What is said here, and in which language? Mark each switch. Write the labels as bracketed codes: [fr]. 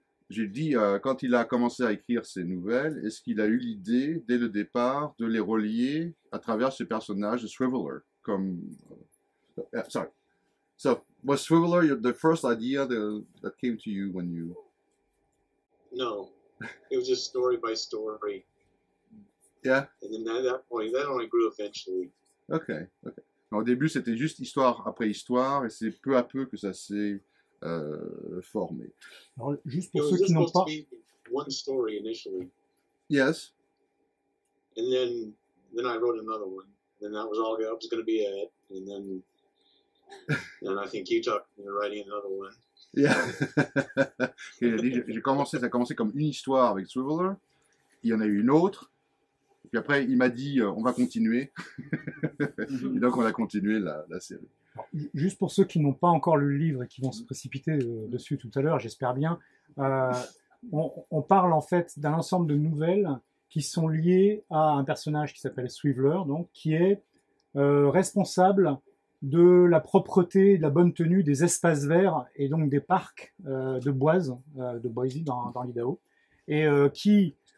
[fr] J'ai dit, quand il a commencé à écrire ses nouvelles, est-ce qu'il a eu l'idée, dès le départ, de les relier à travers ce personnage de Swiveller? [en] Comme. Sorry. So, was Swiveller the first idea that came to you when you... No, it was just story by story. Yeah? And then at that point, that only grew eventually. Okay, okay. [fr] Alors, au début, c'était juste histoire après histoire, et c'est peu à peu que ça s'est formé. Alors, juste pour ceux qui n'ont pas... [en] It was supposed to be one story initially. Yes. And then I wrote another one. Then that was all that was going to be it, and then... And I think you talked about writing another one. Yeah. [fr] Il a dit, ça a commencé comme une histoire avec Swiveller. Il y en a eu une autre. Et puis après, il m'a dit, on va continuer. Et donc, on a continué la série. Juste pour ceux qui n'ont pas encore lu le livre et qui vont se précipiter dessus tout à l'heure, j'espère bien, on parle en fait d'un ensemble de nouvelles qui sont liées à un personnage qui s'appelle Swiveller, donc, qui est responsable de la propreté, de la bonne tenue des espaces verts et donc des parcs de Boise, de Boise dans l'Idaho, et qui